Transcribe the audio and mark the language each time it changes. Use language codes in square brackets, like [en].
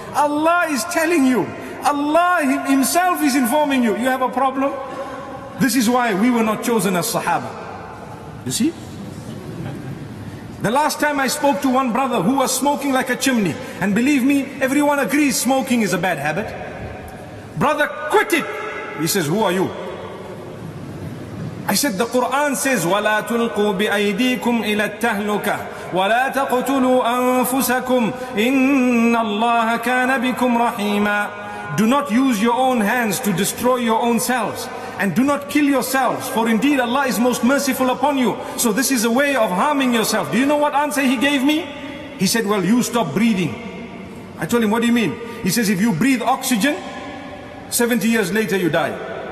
[en] Allah is telling you. Allah Himself is informing you. You have a problem? This is why we were not chosen as Sahaba. You see? The last time I spoke to one brother who was smoking like a chimney. And believe me, everyone agrees smoking is a bad habit. Brother, quit it. He says, who are you? I said, the Quran says, [ar] وَلَا تُلْقُوا بِأَيْدِيكُمْ إِلَى التَّهْلُكَةِ وَلَا تَقْتُلُوا أَنفُسَكُمْ إِنَّ اللَّهَ كَانَ بِكُمْ رَحِيمًا. [en] Do not use your own hands to destroy your own selves. And do not kill yourselves. For indeed Allah is most merciful upon you. So this is a way of harming yourself. Do you know what answer he gave me? He said, well, you stop breathing. I told him, what do you mean? He says, if you breathe oxygen, 70 years later you die.